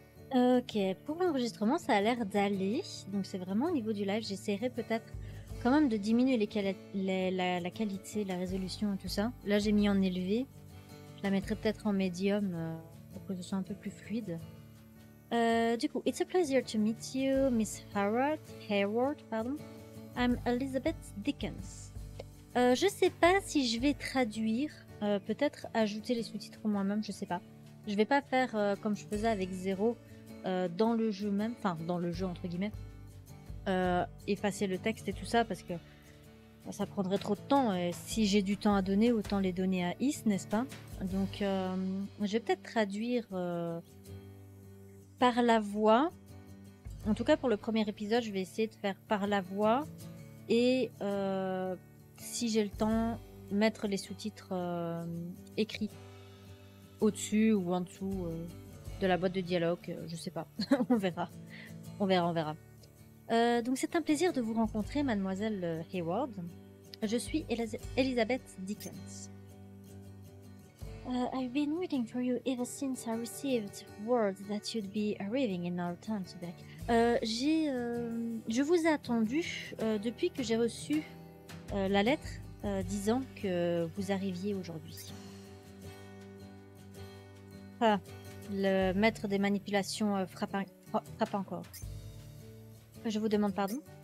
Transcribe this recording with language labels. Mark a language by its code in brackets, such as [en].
[fr] Ok, pour l'enregistrement, ça a l'air d'aller, donc c'est vraiment au niveau du live. J'essaierai peut-être quand même de diminuer la qualité, la résolution et tout ça. Là, j'ai mis en élevé, je la mettrai peut-être en médium pour que ce soit un peu plus fluide. Du coup, [en] it's a pleasure to meet you, Miss Hayward. I'm Elizabeth Dickens. [fr] Je sais pas si je vais traduire, peut-être ajouter les sous-titres moi-même, je sais pas. Je vais pas faire comme je faisais avec Zéro. Dans le jeu même, enfin dans le jeu entre guillemets, effacer le texte et tout ça parce que ça prendrait trop de temps et si j'ai du temps à donner, autant les donner à Is, n'est-ce pas? Donc je vais peut-être traduire par la voix, en tout cas pour le premier épisode je vais essayer de faire par la voix et si j'ai le temps, mettre les sous-titres écrits au-dessus ou en dessous de la boîte de dialogue, je sais pas, on verra. Donc c'est un plaisir de vous rencontrer, mademoiselle Hayward. Je suis Elizabeth Dickens. [en] I've been waiting for you ever since I received word that you'd be arriving in our town today. [fr] Je vous ai attendu depuis que j'ai reçu la lettre disant que vous arriviez aujourd'hui. Ah. Le maître des manipulations frappe encore. Je vous demande pardon.